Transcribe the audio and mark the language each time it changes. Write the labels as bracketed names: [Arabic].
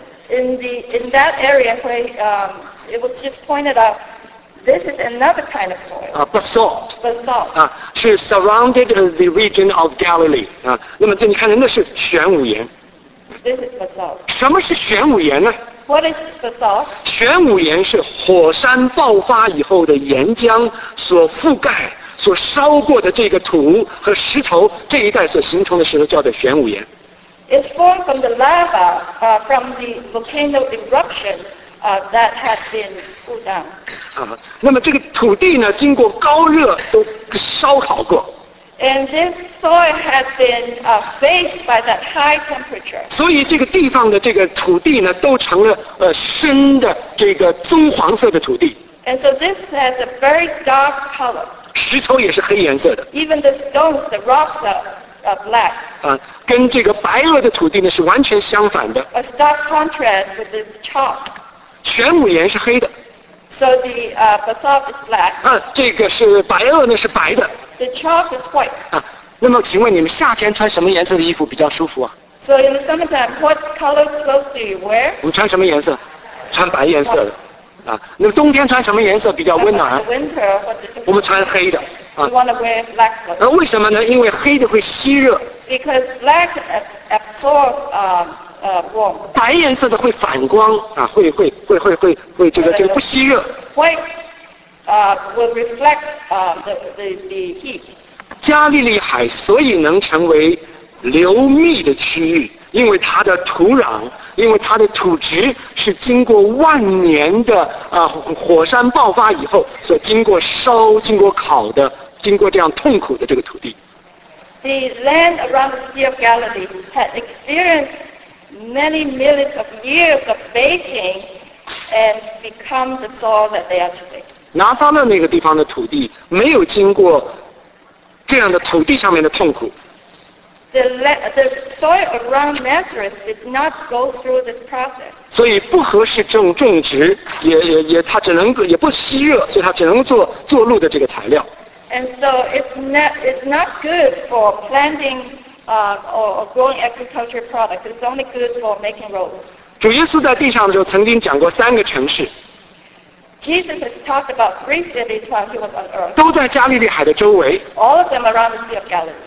[English] In that area where it was just pointed out, this is another kind of soil. Basalt. 啊，是 surrounded the region of Galilee. [Chinese] 啊，那么这你看，那是玄武岩。 [English] This is basalt. [Chinese] 什么是玄武岩呢？ [English] What is basalt? [Chinese] 玄武岩是火山爆发以后的岩浆所覆盖、所烧过的这个土和石头这一带所形成的石头，叫做玄武岩。 [English] It's formed from the lava, from the volcano eruption that has been cooled down. [Chinese] 那么这个土地呢，经过高热都烧烤过。 [English] And this soil has been baked by that high temperature. [Chinese] 所以这个地方的这个土地呢，都成了深的这个棕黄色的土地。 [English] And so this has a very dark color. [Chinese] 石头也是黑颜色的。 [English] Even the stones, the rocks are black. [Chinese] 跟这个白垩的土地呢是完全相反的。 [English] A stark contrast with the chalk. [Chinese] 玄武岩是黑的。 [English] So the basalt is black. [Chinese] 这个是白垩呢是白的。 [English] The chalk is white. [Chinese] 那么请问你们夏天穿什么颜色的衣服比较舒服啊？ [English] So in the summertime, what color clothes do you wear? [Chinese] 我们穿什么颜色？穿白颜色的。那么冬天穿什么颜色比较温暖？ [English] Winter, [Chinese] 我们穿黑的。 [English] You want to wear black clothes. [Chinese] 那为什么呢？因为黑的会吸热。 [English] Because black absorbs warm. [Chinese] 白颜色的会反光啊，会这个这个不吸热。 [English] White will reflect the heat. [Chinese] 加利利海所以能成为流密的区域，因为它的土壤，因为它的土质是经过万年的火山爆发以后所经过烧、经过烤的、经过这样痛苦的这个土地。 [English] The land around the Sea of Galilee had experienced many millions of years of baking and become the soil that they are today. [Chinese] 拿撒勒那个地方的土地没有经过。这样的土地上面的痛苦。 The soil around Nazareth did not go through this process. 所以不合适种植，也它只能也不吸热，所以它只能做路的这个材料。 [English] And so it's not good for planting or growing agriculture products. It's only good for making roads. [Chinese] 主耶稣在地上的时候曾经讲过三个城市。 [English] Jesus has talked about three cities while he was on earth. [Chinese] 都在加利利海的周围。 [English] All of them around the Sea of Galilee.